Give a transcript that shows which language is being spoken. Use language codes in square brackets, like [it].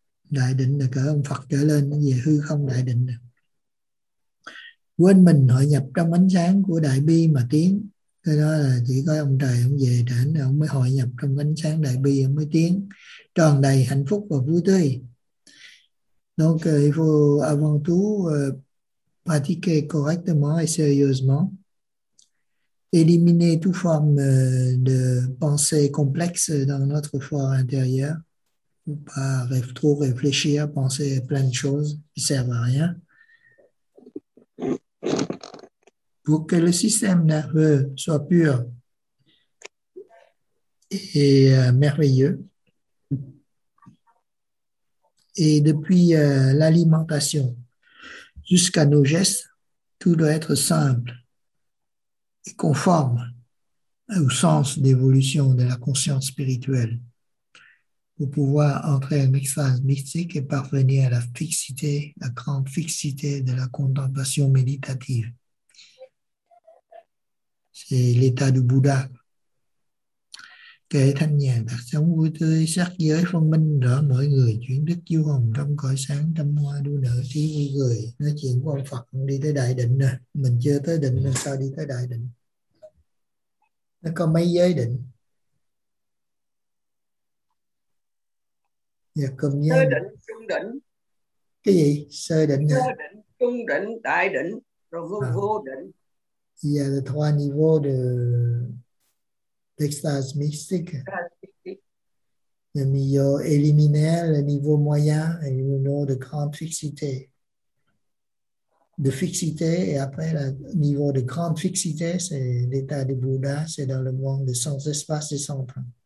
[vi] Đại định là cỡ ông Phật trở lên, về hư không đại định. Quên mình hội nhập trong ánh sáng của đại bi mà tiến. Cái đó là chỉ có ông trời ông về đảnh, ông mới hội nhập trong ánh sáng đại bi, ông mới tiến tròn đầy hạnh phúc và vui tươi. [fr] Donc il faut avant tout pratiquer correctement et sérieusement, éliminer toute forme de pensée complexe dans notre foi intérieure, ou pas trop réfléchir, penser plein de choses qui servent à rien, pour que le système nerveux soit pur et merveilleux. Et depuis l'alimentation jusqu'à nos gestes, tout doit être simple et conforme au sens d'évolution de la conscience spirituelle pour pouvoir entrer en extase mystique et parvenir à la fixité, la grande fixité de la contemplation méditative. C'est l'état du Bouddha. [vi] Kể thanh nhàn đặc sống vui tươi, sắc giới phân minh rõ mỗi người, chuyển đức du hồng trong cõi sáng, tâm hoa đua nở trí vui người. Nói chuyện của ông Phật đi tới đại định nè. Mình chưa tới định làm sao đi tới đại định. Nó có mấy giới định. Dạ, cùng nhau. Sơ định, trung định. Cái gì? Sơ định nè. Sơ định, trung định, đại định, rồi vô vô định. [fr] Il y a les trois niveaux de l'extase mystique. Le niveau éliminaire, le niveau moyen et le niveau de grande fixité. De fixité et après le niveau de grande fixité, c'est l'état du Bouddha, c'est dans le monde de sens, espace et centre.